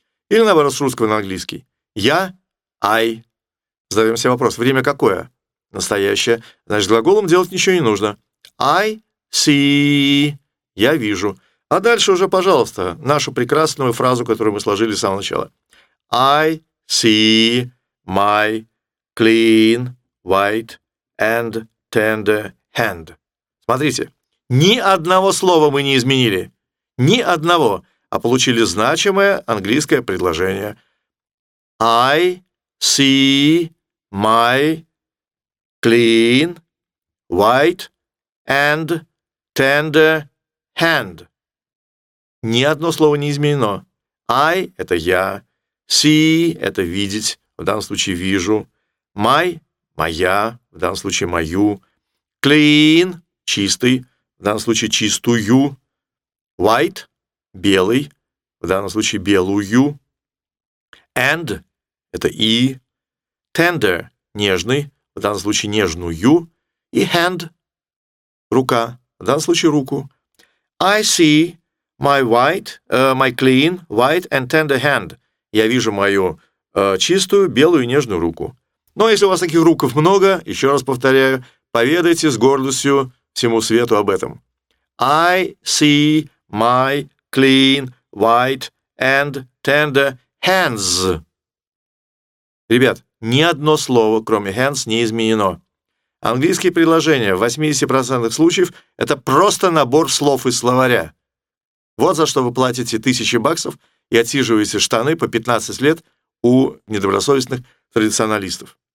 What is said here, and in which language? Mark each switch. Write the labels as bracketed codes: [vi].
[ru] Или наоборот, с русского на английский. Я – I. Задаем себе вопрос. Время какое? Настоящее. Значит, глаголом делать ничего не нужно. [en] I see. [ru] Я вижу. А дальше уже, пожалуйста, нашу прекрасную фразу, которую мы сложили с самого начала. [en] I see my clean, white and tender hand. [ru] Смотрите, ни одного слова мы не изменили. Ни одного. А получили значимое английское предложение. [en] I see my clean, white and tender hand. [ru] Ни одно слово не изменено. I – это я. See – это видеть. В данном случае вижу. My – моя. В данном случае мою. Clean – чистый. В данном случае чистую. White – белый. В данном случае белую. And – это и. Tender – нежный. В данном случае нежную. И hand – рука. В данном случае руку. [en] I see – my white, my clean, white and tender hand. [ru] Я вижу мою чистую, белую, нежную руку. Но если у вас таких рук много, еще раз повторяю, поведайте с гордостью всему свету об этом. [en] I see my clean, white and tender hands. [ru] Ребят, ни одно слово, кроме hands, не изменено. Английские предложения в 80% случаев – это просто набор слов из словаря. Вот за что вы платите $1000 и отсиживаете штаны по 15 лет у недобросовестных традиционалистов.